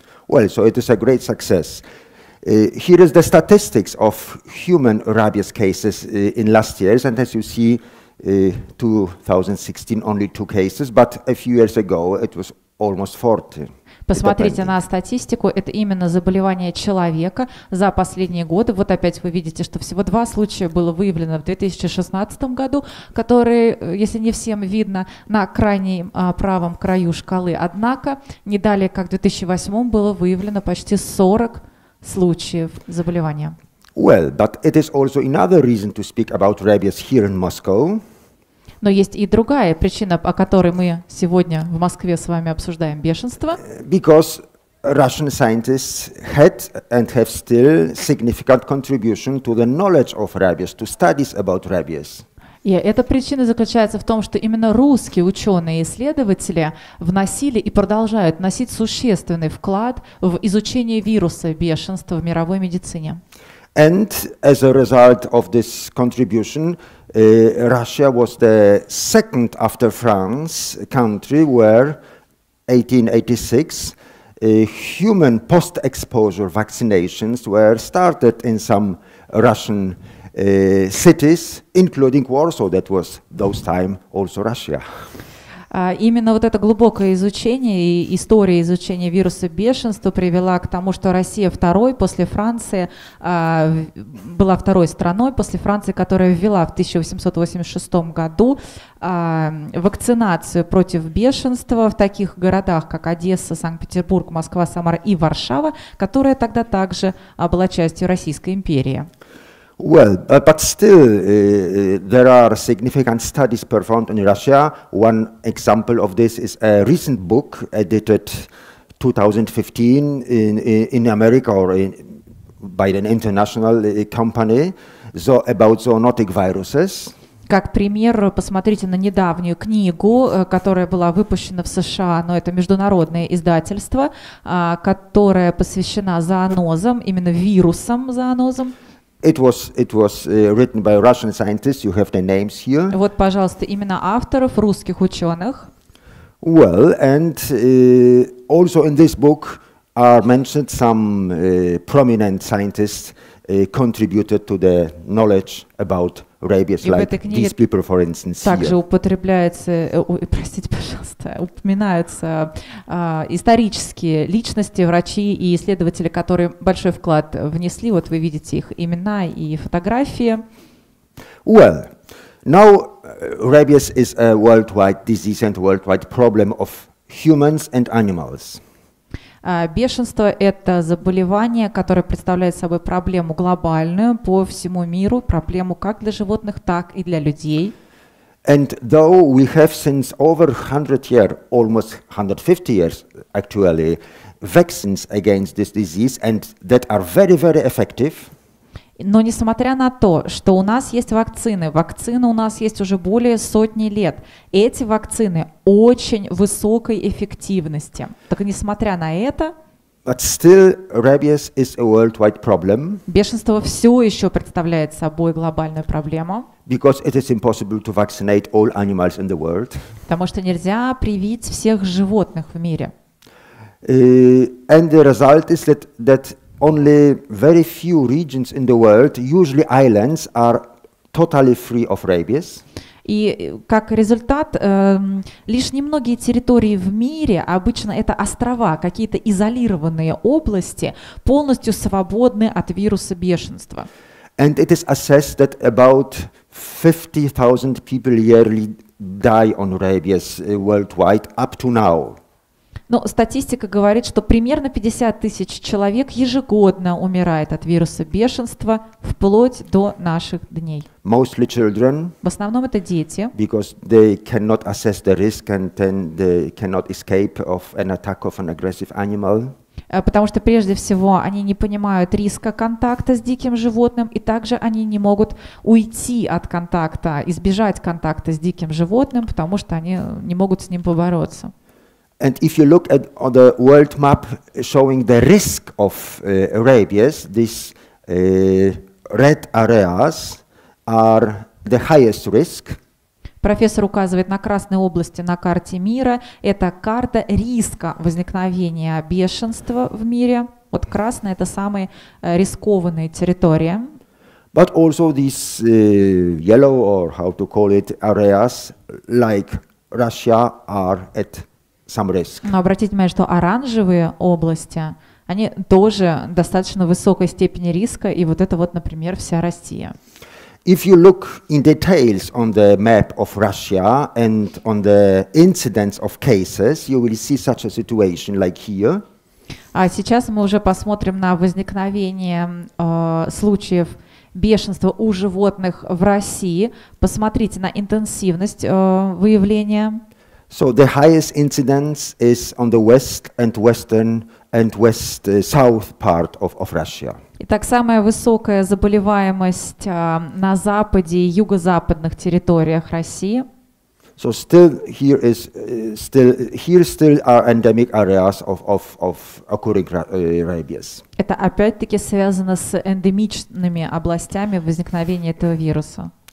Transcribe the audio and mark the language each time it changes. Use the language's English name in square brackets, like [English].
[English] Well, so it is a great success. Here is the statistics of human rabies cases in last years, and as you see, 2016 only 2 cases, but a few years ago it was almost 40. [Russian] Посмотрите на статистику, это именно заболевание человека за последние годы. Вот опять вы видите, что всего 2 случая было выявлено в 2016 году, которые, если не всем видно, на крайнем правом краю шкалы. Однако, не далее, как в 2008 было выявлено почти 40 случаев заболевания. [English] Well, but it is also another reason to speak about rabies here in Moscow. [Russian] Но есть и другая причина, о которой мы сегодня в Москве с вами обсуждаем бешенство. [English] Because Russian scientists had and have still significant contribution to the knowledge of rabies, to studies about rabies. [Russian] И эта причина заключается в том, что именно русские ученые и исследователи вносили и продолжают вносить существенный вклад в изучение вируса бешенства в мировой медицине. [English] And as a result of this contribution, Russia was the second after France country where 1886 human post-exposure vaccinations were started in some Russian cities, including Warsaw, that was those time also Russia. [Russian] Именно вот это глубокое изучение и история изучения вируса бешенства привела к тому, что Россия второй после Франции, была второй страной после Франции, которая ввела в 1886 году вакцинацию против бешенства в таких городах, как Одесса, Санкт-Петербург, Москва, Самара и Варшава, которая тогда также была частью Российской империи. [English] Well, but still, there are significant studies performed in Russia. One example of this is a recent book edited 2015 in America or by an international company about zoonotic viruses. [Russian] Как пример, посмотрите на недавнюю книгу, которая была выпущена в США, но это международное издательство, которое посвящено зоонозам, именно вирусам зоонозам. [English] It was written by Russian scientists. You have the names here. [Russian] Вот, пожалуйста, имена авторов, русских ученых. [English] Well, and also in this book are mentioned some prominent scientists contributed to the knowledge about rabies, like these people, for instance, here. [Russian] Также употребляются, простите, пожалуйста, упоминаются исторические личности, врачи и исследователи, которые большой вклад внесли. Вот вы видите их имена и фотографии. [English] Well, now rabies is a worldwide disease and worldwide problem of humans and animals. [Russian] Бешенство – это заболевание, которое представляет собой проблему глобальную по всему миру, проблему как для животных, так и для людей. [English] And though we have since over 100 years, almost 150 years actually, vaccines against this disease, and that are very, very effective. [Russian] Но несмотря на то, что у нас есть вакцины, вакцины у нас есть уже более сотни лет, эти вакцины очень высокой эффективности. Так несмотря на это, [English] but still, rabies is a worldwide problem. [Russian] Бешенство все еще представляет собой глобальную проблему. [English] Because it is impossible to vaccinate all animals in the world. [Russian] Потому что нельзя привить всех животных в мире. [English] And the result is that only very few regions in the world, usually islands, are totally free of rabies. [Russian] И как результат, лишь немногие территории в мире, обычно это острова, какие-то изолированные области, полностью свободны от вируса бешенства. [English] And it is assessed that about 50,000 people yearly die on rabies worldwide up to now. [Russian] Но статистика говорит, что примерно 50 тысяч человек ежегодно умирает от вируса бешенства вплоть до наших дней. [English] Mostly children, [Russian] в основном это дети. [English] Because they cannot assess the risk and then they cannot escape of an attack of an aggressive animal. [Russian] Потому что прежде всего они не понимают риска контакта с диким животным, и также они не могут уйти от контакта, избежать контакта с диким животным, потому что они не могут с ним побороться. [English] And if you look at the world map showing the risk of rabies, these red areas are the highest risk. [Russian] Профессор указывает на красные области на карте мира. Это карта риска возникновения бешенства в мире. Вот красные – это самые рискованные территории. [English] But also these yellow, or how to call it, areas like Russia are at some risk. [Russian] Но обратите внимание, что оранжевые области, они тоже достаточно высокой степени риска, и вот это вот, например, вся Россия. [English] If you look in details on the map of Russia and on the incidence of cases, you will see such a situation like here. [Russian] А сейчас мы уже посмотрим на возникновение случаев бешенства у животных в России. Посмотрите на интенсивность выявления. [English] So the highest incidence is on the west and western and west south part of Russia. [Russian] Итак, самая высокая заболеваемость на западе и юго-западных территориях России. [English] So still here is still are endemic areas of occurring rabies. [Russian] Это опять-таки связано с эндемичными областями возникновения этого вируса.